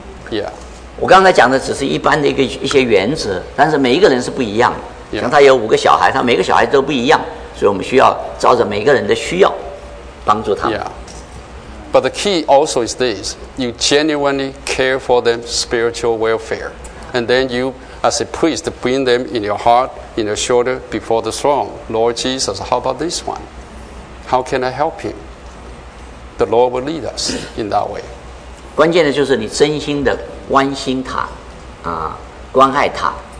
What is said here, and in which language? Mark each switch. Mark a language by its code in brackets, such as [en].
[en] Yeah. [zh] 我刚才讲的只是一般的一些原则，但是每一个人是不一样的。像他有5个小孩，他每个小孩都不一样，所以我们需要照着每个人的需要帮助他。 [en] Yeah. But the key also is this: you genuinely care for them spiritual welfare. And then you, as a priest, bring them in your heart, in your shoulder, before the throne. Lord Jesus, how about this one? How can I help him? The Lord will lead us in that way. [zh] 关键的就是你真心的关心他，关爱他。